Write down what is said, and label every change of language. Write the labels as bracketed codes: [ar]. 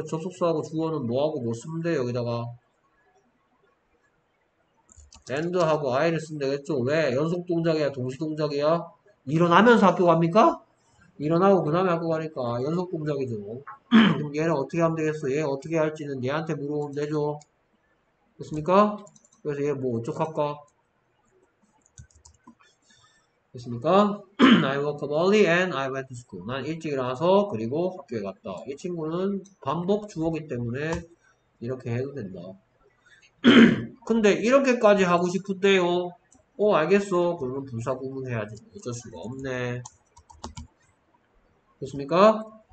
[ko] 접속사하고 주어는 뭐하고 뭐 쓰면 돼? 여기다가 and하고 I를 쓰면 되겠죠. 왜? 연속동작이야? 동시동작이야? 일어나면서 학교 갑니까? 일어나고 그 다음에 할거 가니까 연속 동작이죠. 그럼 얘를 어떻게 하면 되겠어? 얘 어떻게 할지는 얘한테 물어보면 되죠. 됐습니까? 그래서 얘뭐 어떻게 할까? 됐습니까? [en] I woke up early and I went to school. [ko] 난 일찍 일어나서 그리고 학교에 갔다. 이 친구는 반복 주어기 때문에 이렇게 해도 된다. 근데 이렇게까지 하고 싶은데요. 알겠어. 그러면 분사 구문 해야지. 어쩔 수가 없네. 됐습니까?